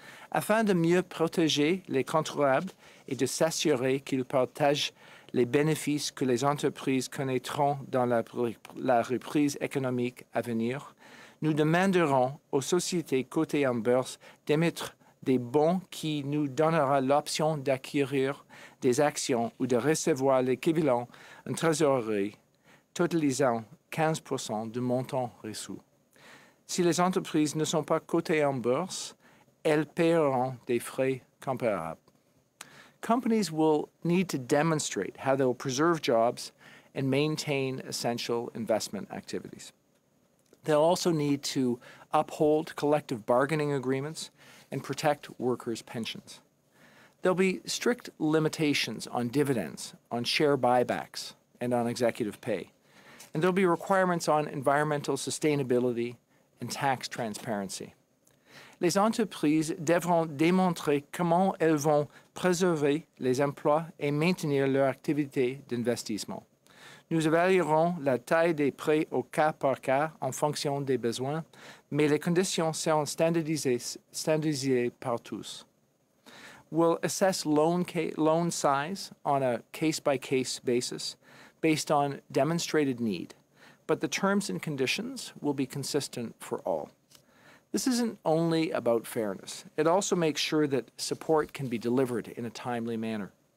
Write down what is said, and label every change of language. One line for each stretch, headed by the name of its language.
French: Afin de mieux protéger les contribuables et de s'assurer qu'ils partagent les bénéfices que les entreprises connaîtront dans la reprise économique à venir, nous demanderons aux sociétés cotées en bourse d'émettre des bons qui nous donnera l'option d'acquérir des actions ou de recevoir l'équivalent en trésorerie totalisant 15% du montant reçu. Si les entreprises ne sont pas cotées en bourse, elles paieront des frais comparables.
English: companies will need to demonstrate how they will preserve jobs and maintain essential investment activities. They'll also need to uphold collective bargaining agreements and protect workers' pensions. There'll be strict limitations on dividends, on share buybacks, and on executive pay. And there'll be requirements on environmental sustainability and tax transparency.
French: Les entreprises devront démontrer comment elles vont préserver les emplois et maintenir leur activité d'investissement. Nous évaluerons la taille des prêts au cas par cas en fonction des besoins, mais les conditions seront standardisées par tous.
English: We'll assess loan size on a case-by-case basis based on demonstrated need, but the terms and conditions will be consistent for all. This isn't only about fairness. It also makes sure that support can be delivered in a timely manner.